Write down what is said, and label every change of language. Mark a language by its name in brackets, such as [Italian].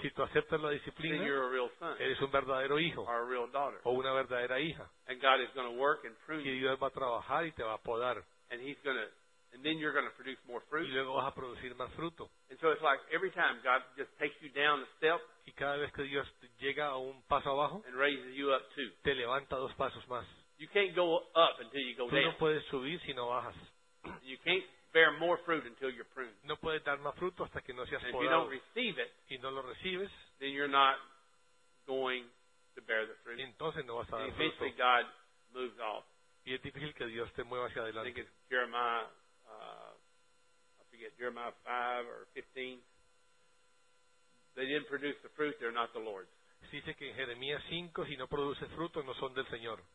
[Spanish] si tú aceptas la disciplina, [English] then you're a real son. [Spanish] Eres un verdadero hijo, [English] or a real daughter. [Spanish] O una verdadera hija. [English] And God is going to work and prune you. [Spanish] Y Dios va a trabajar y te va a podar. [English] And then you're going to produce more fruit. [Spanish] Y luego vas a producir más fruto. [English] And so it's like every time God just takes you down a step. [Spanish] Y cada vez que Dios llega a un paso abajo, [English] and raises you up too. [Spanish] Te levanta dos pasos más. [English] You can't go up until you go [Spanish] tú [English] down. [Spanish] Tú no puedes subir si no bajas. [English] You can't bear more fruit until you're pruned. [Spanish] No puedes dar más fruto hasta que no seas podado. [English] And if you don't receive it, [Spanish] y no lo recibes, [English] then you're not going to bear the fruit. [Spanish] Entonces no vas a dar fruto. [English] And eventually God moves off. [Spanish] Y es difícil que Dios te mueva hacia adelante. [English] I think it's Jeremiah 5 or 15. They didn't produce the fruit, they're not the Lord's. [Spanish] Se dice que en Jeremías 5, si no produce fruto, no son del Señor.